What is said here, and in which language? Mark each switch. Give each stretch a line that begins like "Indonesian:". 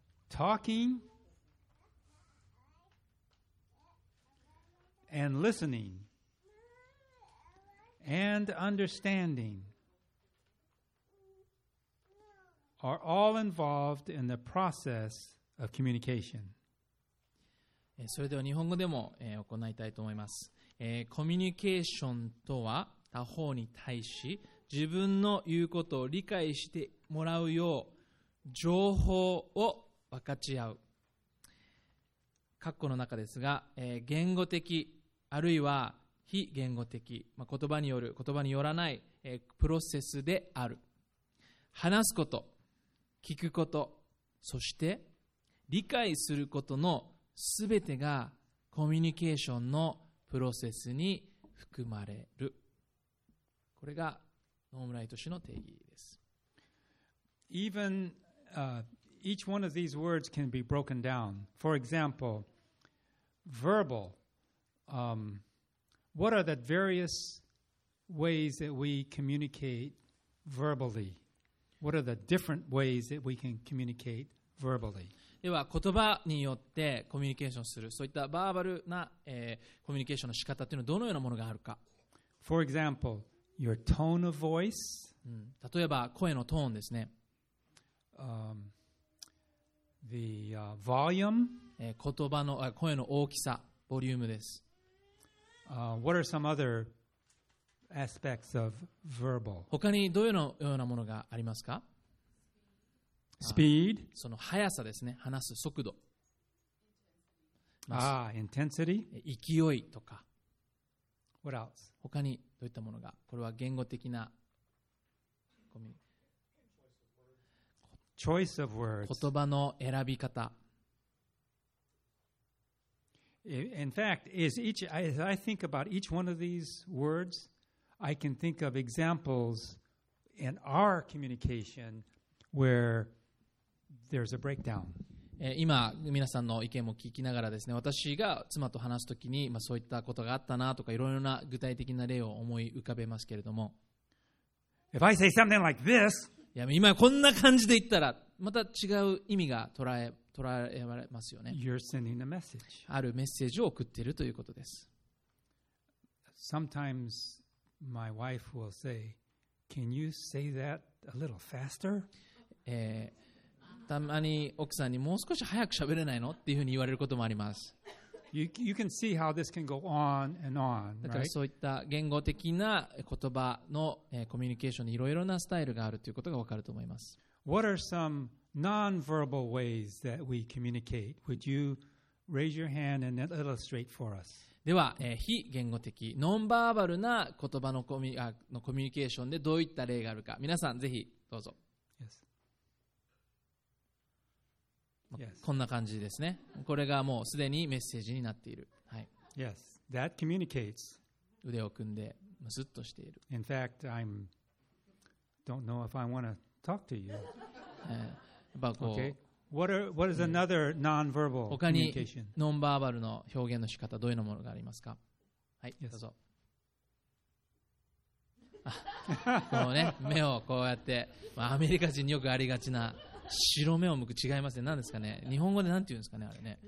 English: Talking and listening and understanding. Are all involved in the process of communication.
Japanese: それでは日本語でも行いたいと思います。コミュニケーションとは他方に対し自分の言うことを理解してもらうよう情報を分かち合う。括弧の中ですが、言語的あるいは非言語的、まあ、言葉による言葉によらない、プロセスである。話すこと聞くこと、そして理解することのすべてがコミュニケーションのプロセスに含まれる。これがノーム・ライト氏の定義です。
English: Even, each one of these words can be broken down. For example, verbal. What are the various ways that we communicate verbally? What are the different ways that we can communicate verbally?
Japanese: では言葉によってコミュニケーションするそういったバーバルな、コミュニケーションの仕方というのはどのようなものがあるか。
English: For example, your tone of voice.
Japanese: 例えば声のトーンですね。
English: The volume.
Japanese: 言葉の声の大きさ、ボリュームです。
English: What are some other? Aspects of verbal.
Japanese: 他にどのようなものがありますか?
English: Speed.
Japanese: その速さですね。話す速度。
English: Intensity.
Japanese: 勢いとか。
English: What else?
Japanese: 他にどういったものが、これは言語的な
English: choice of words.
Japanese: 言葉の選び方。
English: In fact, as I think about each one of these words, I can think of examples in our communication where there's a breakdown.
Japanese: 今皆さんの意見も聞きながらですね、私が妻と話すときに、まあ、そういったことがあったなとか、いろいろな具体的な例を思い浮かべますけれども、
English: If I say something like this,
Japanese: いや今こんな感じで言ったらまた違う意味が捉えられますよね。
English: You're sending a message.
Japanese: あるメッセージを送っているということです。
English: Sometimes my wife will say, can you say that a little faster?
Japanese: たまに奥さんにもう少し早く喋れないのっていうふうに言われることもあります。
English: You can see how this can go on and on, right?
Japanese: だからそういった言語的な言葉の、コミュニケーションにいろいろなスタイルがあるということがわかると思います。
English: What are some non-verbal ways that we communicate? Would you raise your hand and illustrate for us?
Japanese: では、非言語的、ノンバーバルな言葉のコミュニケーションでどういった例があるか、皆さんぜひどうぞ。
English: Yes.
Japanese: こんな感じですね。これがもうすでにメッセージになっている。はい。
English: Yes, that communicates.
Japanese: 腕を組んでムスッとしている。
English: In fact, I don't know if I want to talk to you. Okay. What is another non-verbal communication?
Japanese: 他にノンバーバルの表現の仕方どういうものがありますか。はい。Yes. どうぞ。あ、もうね、目をこうやって、まあ、アメリカ人によくありがちな。白目を向く、違いますね。何ですかね。日本語で何て言うんですかね、あれね。